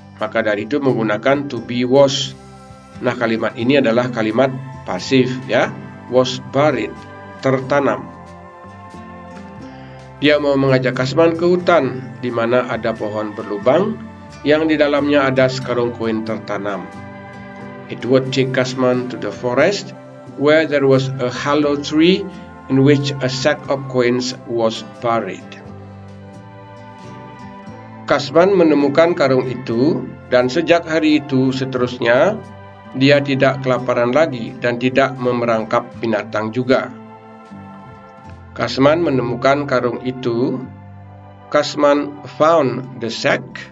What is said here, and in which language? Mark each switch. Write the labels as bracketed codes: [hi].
[id] Maka dari itu menggunakan to be was. Nah, kalimat ini adalah kalimat pasif ya. Was buried, tertanam. Dia mau mengajak Kasman ke hutan di mana ada pohon berlubang yang di dalamnya ada sekarung koin tertanam. [en] It would take Kasman to the forest where there was a hollow tree in which a sack of coins was buried. [id] Kasman menemukan karung itu, dan sejak hari itu seterusnya dia tidak kelaparan lagi dan tidak memerangkap binatang juga. Kasman menemukan karung itu. [en] Kasman found the sack.